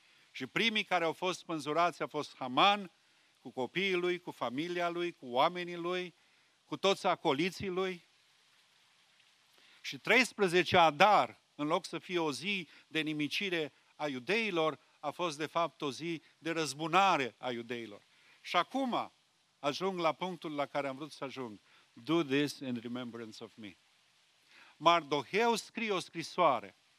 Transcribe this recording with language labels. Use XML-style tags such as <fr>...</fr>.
<ro>Și primii care au fost spânzurați au fost Haman, cu copiii lui, cu familia lui, cu oamenii lui, cu toți acoliții lui. Și 13 Adar, în loc să fie o zi de nimicire a iudeilor, a fost de fapt o zi de răzbunare a iudeilor. Și acum ajung la punctul la care am vrut să ajung.</ro> <en>Do this in remembrance of me.</en> <ro>Mardoheu scrie o scrisoare.</ro>